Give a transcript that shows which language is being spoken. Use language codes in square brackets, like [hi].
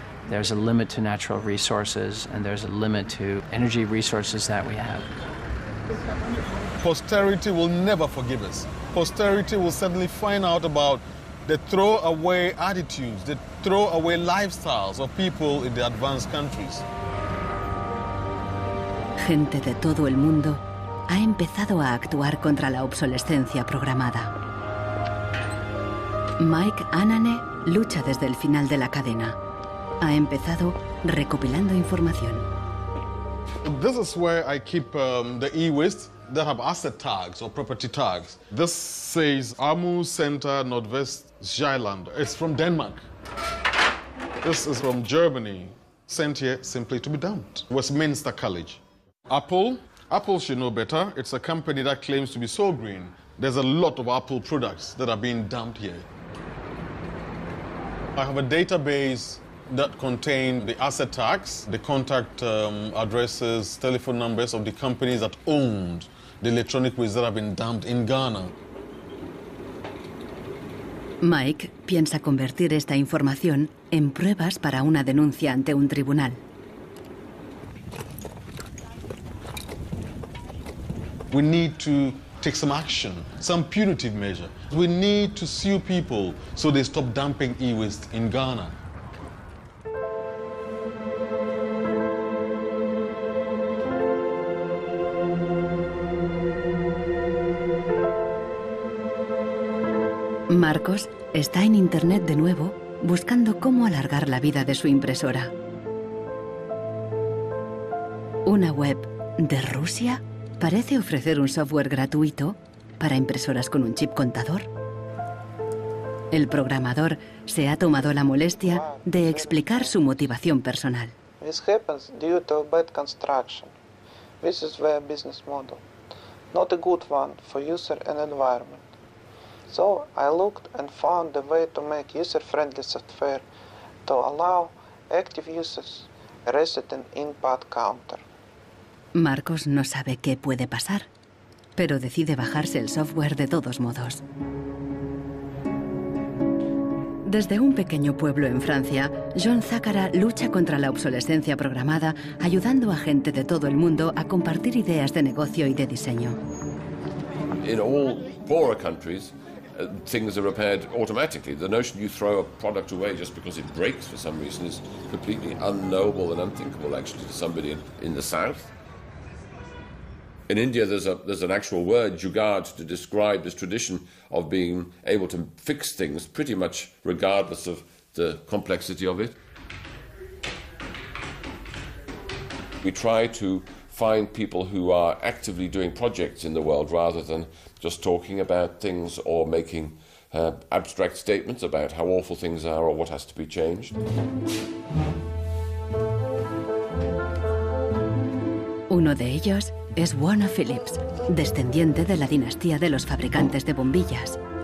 [en] There's a limit to natural resources and there's a limit to energy resources that we have. Posterity will never forgive us. Posterity will certainly find out about the throwaway attitudes, the throwaway lifestyles of people in the advanced countries. [es] Gente de todo el mundo ha empezado a actuar contra la obsolescencia programada. Mike Anane lucha desde el final de la cadena. Ha empezado recopilando información. [en] This is where I keep the e-waste that have asset tags or property tags. This says Amu Center Nordvest Zealand. It's from Denmark. This is from Germany, sent here simply to be dumped. Westminster College. Apple should know better. It's a company that claims to be so green. There's a lot of Apple products that are being dumped here. I have a database that contain the asset tags, the contact addresses, telephone numbers of the companies that owned the electronic waste that have been dumped in Ghana. [es] Mike piensa convertir esta información en pruebas para una denuncia ante un tribunal. [en] We need to take some action, some punitive measure. We need to sue people so they stop dumping e-waste in Ghana. [es] Marcos está en internet de nuevo buscando cómo alargar la vida de su impresora. Una web de Rusia parece ofrecer un software gratuito para impresoras con un chip contador. El programador se ha tomado la molestia de explicar su motivación personal. [en] This happens due to bad construction. This is their business model. Not a good one for user and environment. So I looked and found a way to make user-friendly software to allow active users reset an input counter. [es] Marcos no sabe qué puede pasar, pero decide bajarse el software de todos modos. Desde un pequeño pueblo en Francia, John Zakara lucha contra la obsolescencia programada, ayudando a gente de todo el mundo a compartir ideas de negocio y de diseño. [en] In all poorer countries, things are repaired automatically. The notion you throw a product away just because it breaks for some reason is completely unknowable and unthinkable, actually, to somebody in the south. In India, there's an actual word, jugaad, to describe this tradition of being able to fix things pretty much regardless of the complexity of it. We try to find people who are actively doing projects in the world rather than just talking about things or making abstract statements about how awful things are or what has to be changed. [es] Uno de ellos es Warner Phillips, descendiente de la dinastía de los fabricantes de bombillas.